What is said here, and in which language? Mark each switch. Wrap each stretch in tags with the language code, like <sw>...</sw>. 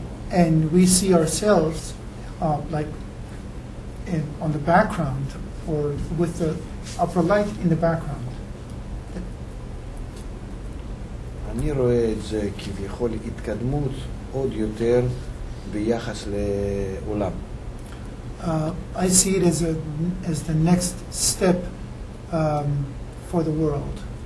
<en>And we see ourselves on the background or with the upper light in the background.</en> <he>אני רואה את זה כביכול התקדמות עוד יותר ביחס לעולם.</he> <en>I see it as the next step for the world.</en>